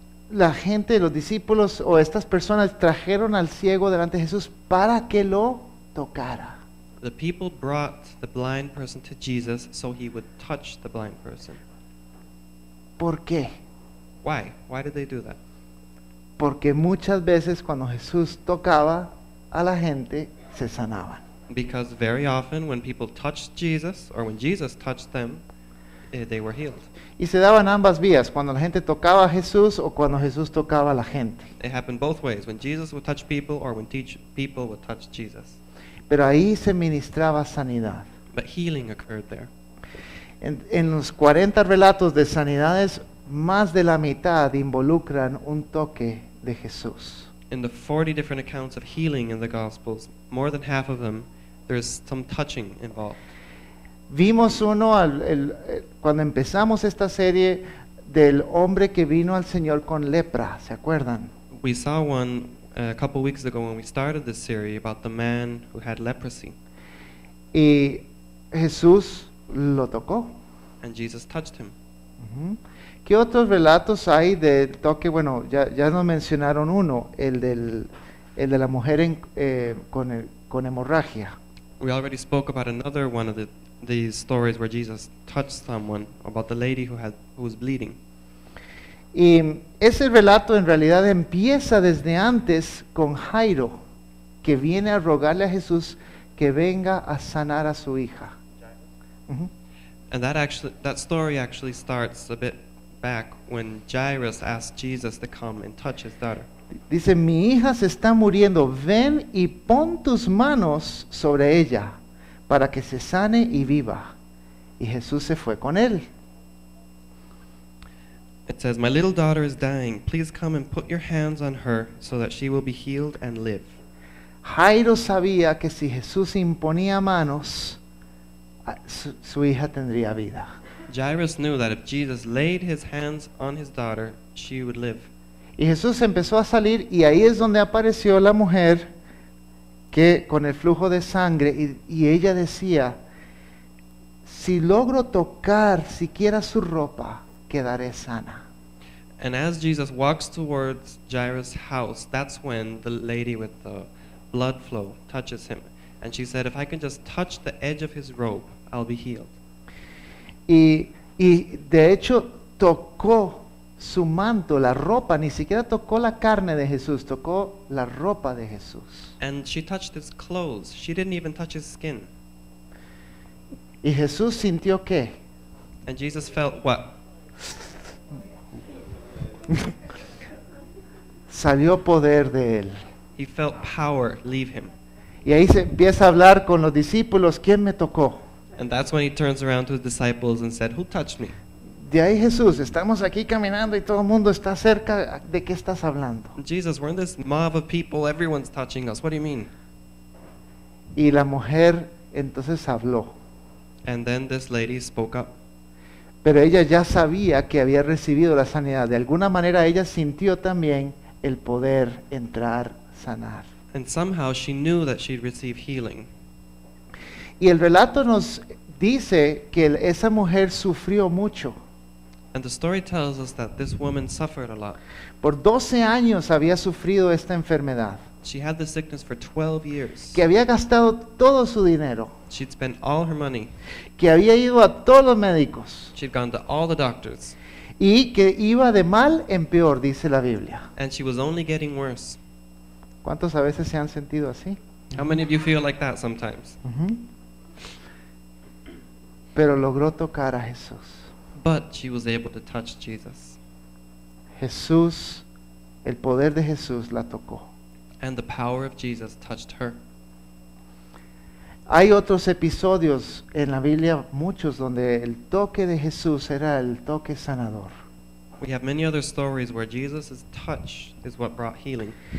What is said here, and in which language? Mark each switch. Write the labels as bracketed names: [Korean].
[Spanish] La gente, los discípulos o estas personas trajeron al ciego delante de Jesús para que lo tocara. [English] The people brought the blind person to Jesus so he would touch the blind person. [Spanish] ¿Por qué? [English] Why did they do that? [Spanish] Porque muchas veces cuando Jesús tocaba a la gente, se sanaban. [English] Because very often when people touched Jesus, or when Jesus touched them, they were healed. [Spanish] Y se daban ambas vías, cuando la gente tocaba a Jesús o cuando Jesús tocaba a la gente. [English] It happened both ways, when Jesus would touch people or when people would touch Jesus. [Spanish] Pero ahí se ministraba sanidad. [English] But healing occurred there. [Spanish] En los 40 relatos de sanidades, más de la mitad involucran un toque de Jesús. [English] In the 40 different accounts of healing in the Gospels, more than half of them, there's some touching involved. [Spanish] Vimos uno cuando empezamos esta serie del hombre que vino al Señor con lepra, ¿se acuerdan? [English] We saw one a couple weeks ago when we started this series about the man who had leprosy. [Spanish] Y Jesús lo tocó. [English] And Jesus touched him. [Spanish] ¿Qué otros relatos hay del toque? Bueno, ya nos mencionaron uno, el de la mujer con hemorragia. [English] We already spoke about another one of these stories where Jesus touched someone, about the lady who was bleeding. [Spanish] Y ese relato en realidad empieza desde antes con Jairo, que viene a rogarle a Jesús que venga a sanar a su hija. [English] And that story actually starts a bit back when Jairus asked Jesus to come and touch his daughter. [Spanish] Dice, mi hija se está muriendo, ven y pon tus manos sobre ella para que se sane y viva. Y Jesús se fue con él. [English] It says, my little daughter is dying, please come and put your hands on her so that she will be healed and live. [Spanish] Jairo sabía que si Jesús imponía manos, su hija tendría vida. [English] Jairus knew that if Jesus laid his hands on his daughter, she would live. [Spanish] Y Jesús empezó a salir y ahí es donde apareció la mujer que con el flujo de sangre y ella decía, si logro tocar siquiera su ropa, quedaré sana. [English] And as Jesus walks towards Jairus' house, that's when the lady with the blood flow touches him. And she said, if I can just touch the edge of his robe, I'll be healed. [Spanish] Y de hecho tocó su manto, la ropa, ni siquiera tocó la carne de Jesús, tocó la ropa de Jesús. [English] And she touched his clothes. She didn't even touch his skin. [Spanish] ¿Y Jesús sintió qué? [English] And Jesus felt what? [Spanish] Salió poder de él. [English] He felt power leave him. [Spanish] Y ahí se empieza a hablar con los discípulos, ¿quién me tocó? [English] And that's when he turns around to his disciples and said, who touched me? [Spanish] De ahí Jesús, estamos aquí caminando y todo el mundo está cerca, ¿de qué estás hablando? [English] Jesus, we're in this mob of people, everyone's touching us, what do you mean? [Spanish] Y la mujer entonces habló. [English] And then this lady spoke up. [Spanish] Pero ella ya sabía que había recibido la sanidad, de alguna manera ella sintió también el poder entrar, sanar. [English] And somehow she knew that she'd receive healing. [Spanish] Y el relato nos dice que esa mujer sufrió mucho. [English] And the story tells us that this woman suffered a lot. [Spanish] Por 12 años había sufrido esta enfermedad. [English] She had the sickness for 12 years. [Spanish] Que había gastado todo su dinero. [English] She'd spent all her money. [Spanish] Que había ido a todos los médicos. [English] She'd gone to all the doctors. [Spanish] Y que iba de mal en peor, dice la Biblia. [English] And she was only getting worse. [Spanish] ¿Cuántos a veces se han sentido así? [English] How many of you feel like that sometimes? [Spanish] Pero logró tocar a Jesús. [English] But she was able to touch Jesus. [Spanish] Jesús, el poder de Jesús la tocó. [English] And the power of Jesus touched her. [Spanish] Hay otros episodios en la Biblia, muchos, donde el toque de Jesús era el toque sanador. [English] We have many other stories where Jesus' touch is what brought healing.